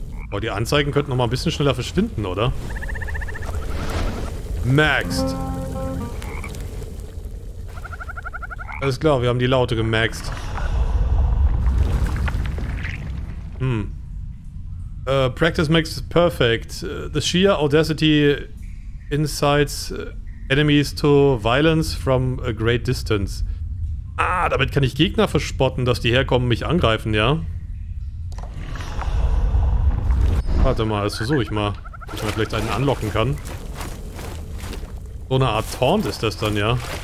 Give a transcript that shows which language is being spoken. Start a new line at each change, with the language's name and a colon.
German: Boah, die Anzeigen könnten noch mal ein bisschen schneller verschwinden, oder? Maxed. Alles klar, wir haben die Laute gemaxed.
English: Practice makes perfect. The sheer audacity incites enemies to violence from a great distance.
German: Ah, damit kann ich Gegner verspotten, dass die herkommen und mich angreifen, ja? Warte mal, das versuche ich mal. Ob ich mal vielleicht einen anlocken kann. So eine Art Taunt ist das dann, ja?